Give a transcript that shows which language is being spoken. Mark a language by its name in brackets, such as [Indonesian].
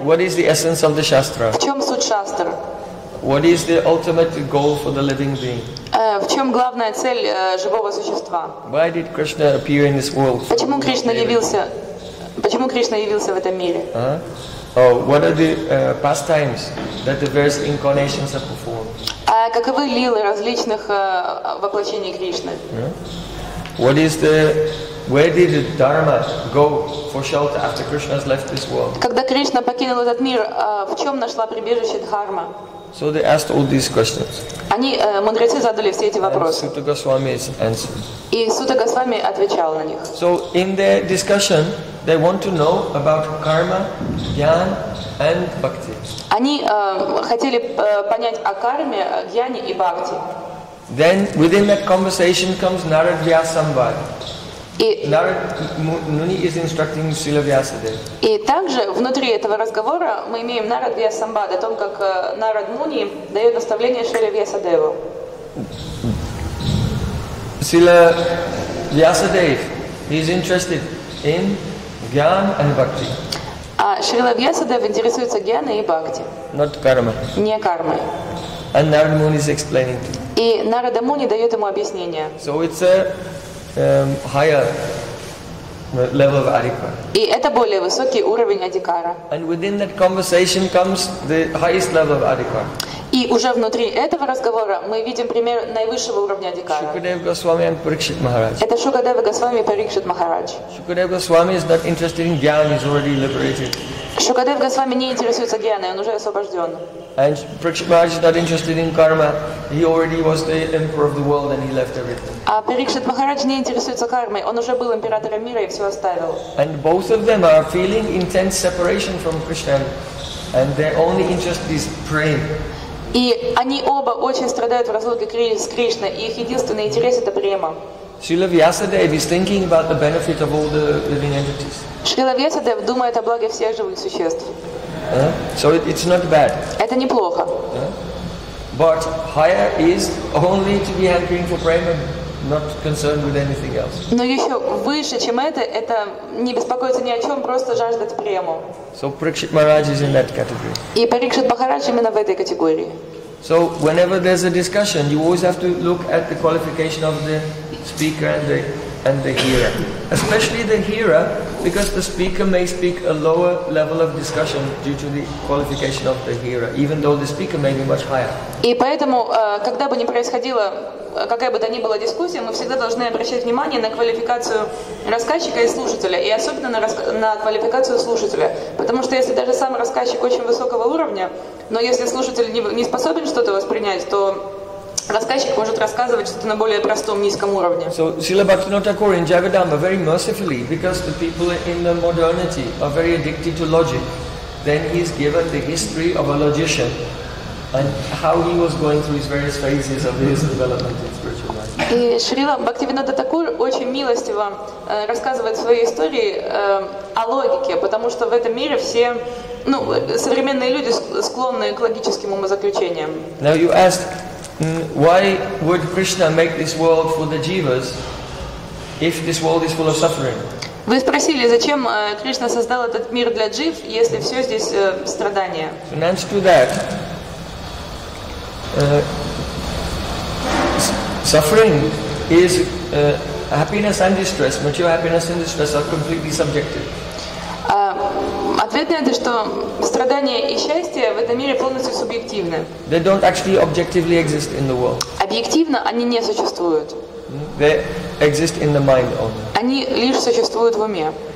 [English] What is the essence of the Shastra? [Russian] В чем суть Шастра? [English] What is the ultimate goal for the living being? [Russian] В чем главная цель живого существа? [English] Why did Krishna appear in this world? [Russian] Почему Кришна явился в этом мире? [English] What are the pastimes that the various incarnations have performed? [Russian] Каковы лилы различных воплощений Кришны? [English] What is the where did the Dharma go for shelter after Krishna has left this world? [Russian] Когда Кришна покинул этот мир, в чем нашла прибежище Дхарма? [English] So they asked all these questions. [Russian] Они мудрецы задали все эти вопросы. [English] Sutta Goswami answered. [Russian] И Сутта Госвами отвечал на них. [English] So in their discussion, they want to know about karma, jnana, and bhakti. [Russian] Они хотели понять о карме, джняне и бхакти. [English] Then within that conversation comes Narad Vyasamvad. Narad Muni is instructing Srila Vyasadeva. [Russian] И также внутри этого разговора мы имеем Narad Vyasamvad о том, как Narad Muni дает наставление Шриле Вьясадеву. [English] Srila Vyasadeva, he is interested in jnana and bhakti. [Russian] А Шрила Вьясадева интересуется джняной и бхакти. [English] Not karma. [Russian] Не кармой. [English] And Narad Muni is explaining. [Russian] И Narada Muni дает ему объяснение. [English] So it's a higher level of adhikara. [Russian] И это более высокий уровень адикара. [English] And within that conversation comes the highest level of adhikara. [Russian] И уже внутри этого разговора мы видим пример наивысшего уровня дикара. Шукадева Госвами и Парикшит Махарадж. Это Шукадева Госвами и Парикшит Махарадж. [English] Шукадева Госвами is not interested in Gyan, he's already liberated. [Russian] Шукадев Госвами не интересуется Гьяной, он уже освобожден. [English] And Parikshit Maharaj is not interested in karma. He already was the emperor of the world and he left everything. [Russian] А Парикшит Махарадж не интересуется кармой, он уже был императором мира и все оставил. [English] And both of them are feeling intense separation from Krishna and their only interest is praying. [Russian] И они оба очень страдают в разлуке с Кришной, их единственный интерес это према. [English] Srila Vyasadeva is thinking about the benefit of all the living entities. [Russian] Srila Vyasadeva думает о благе всех живых существ. [English] So it's not bad. [Russian] Это неплохо. [English] But higher is only to be hankering for prema, not concerned with anything else. [Russian] Но еще выше, чем это не беспокоиться ни о чем, просто жаждать прему. [English] So Parikshit Maharaj is in that category. [Russian] И Парикшит Махарадж именно в этой категории. [English] So whenever there's a discussion, you always have to look at the qualification of the speaker and the hearer. Especially the hearer, because the speaker may speak a lower level of discussion due to the qualification of the hearer, even though the speaker may be much higher. [Russian] И поэтому, когда бы ни происходила, какая бы то ни была дискуссия, мы всегда должны обращать внимание на квалификацию рассказчика и слушателя, и особенно на квалификацию слушателя. Потому что если даже сам рассказчик очень высокого уровня, но если слушатель не способен что-то воспринять, то рассказчик может рассказывать что-то на более простом, низком уровне. [English] So, Srila Bhaktivinoda Thakur in Jagadamba, very mercifully, because the people in the modernity are very addicted to logic, then he is given the history of a logician and how he was going through his various phases of his development in spiritual life. [Russian] И Шрила Бхактивинода Такур очень милостиво рассказывает свои истории о логике, потому что в этом мире все, ну, современные люди склонны к логическим умозаключениям. [English] Now you ask, why would Krishna make this world for the jivas if this world is full of suffering? [Russian] Вы спросили, зачем Кришна создал этот мир для джив, если все здесь страдания? [English] In answer to that, suffering is happiness and distress. Material happiness and distress are completely subjective. [Russian] Ответ на это, что страдания и счастье в этом мире полностью субъективны. [English] They don't actually objectively exist in the world. [Russian] Объективно они не существуют. [English] They exist in the mind only. [Russian] Они лишь существуют в уме.